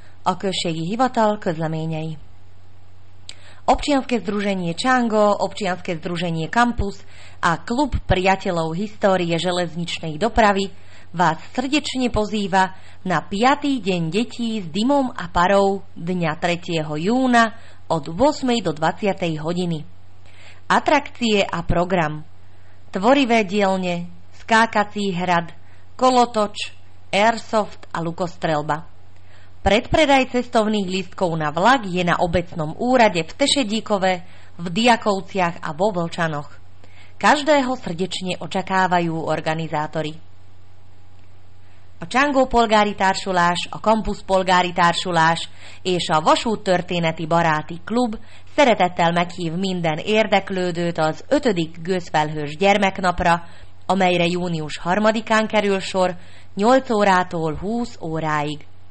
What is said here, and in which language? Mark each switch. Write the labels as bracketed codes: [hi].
[hu] Okresný hivatal közleményei. [sk] Občianske združenie Čango, občianske združenie Campus a klub priateľov histórie železničnej dopravy vás srdečne pozýva na 5. deň detí s dymom a parou dňa 3. júna od 8. do 20. hodiny. Atrakcie a program. Tvorivé dielne, skákací hrad, kolotoč, airsoft a lukostrelba. Predpredaj cestovných lístkov na vlak je na obecnom úrade v Tešedíkove, v Diakovciach a vo Vlčanoch. Každého srdečne očakávajú organizátori. [hu] A Csángó polgári társulás, a Campus polgári társulás és a Vasút történeti baráti klub szeretettel meghív minden érdeklődőt az 5. gőzfelhős gyermeknapra, amelyre június 3-án kerül sor 8 órától 20 óráig.